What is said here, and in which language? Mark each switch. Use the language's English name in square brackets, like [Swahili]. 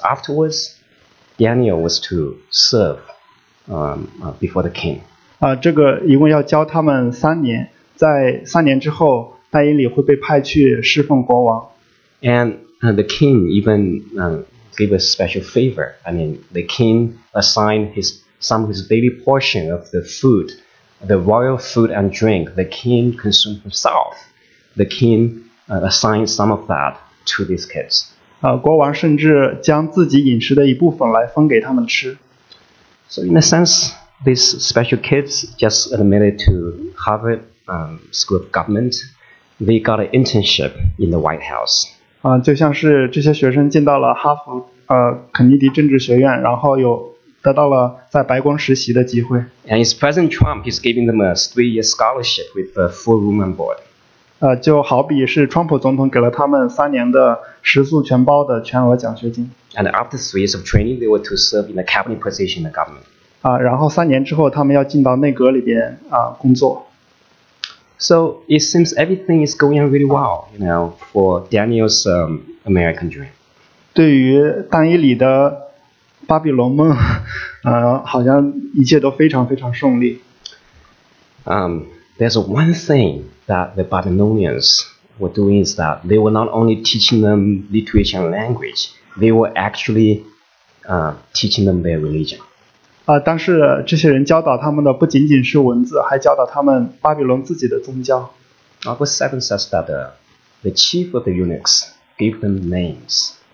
[English] Afterwards, Daniel was to serve before the king. [Chinese] 这个一共要教他们3年，在3年之后，但以理会被派去侍奉国王。 [English] The king even gave a special favor. I mean, the king assigned some of his daily portion of the food, the royal food and drink the king consumed himself. The king assigned some of that to these kids. [Chinese] 国王甚至将自己饮食的一部分来分给他们吃。 [English] So in a sense, these special kids just admitted to Harvard School of Government. They got an internship in the White House. [Chinese] 就像是这些学生进到了哈佛肯尼迪政治学院，然后有得到了在白宫实习的机会。 [English] And his President Trump, he's giving them a three-year scholarship with a full room and board. [Chinese] 就好比是川普总统给了他们三年的食宿全包的全额奖学金。 [English] And after 3 years of training, they were to serve in a cabinet position in the government. [Chinese] 然后三年之后他们要进到内阁里边工作。 [English] So it seems everything is going really well, you know, for Daniel's American dream. [Chinese] 对于丹伊里的巴比伦梦，好像一切都非常非常顺利。 [English] There's one thing that the Babylonians were doing is that they were not only teaching them literature and language, they were actually teaching them their religion. [Chinese] 但是这些人教导他们的不仅仅是文字，还教导他们巴比伦自己的宗教。 [English] Verse 7 says that the chief of the eunuchs gave them names.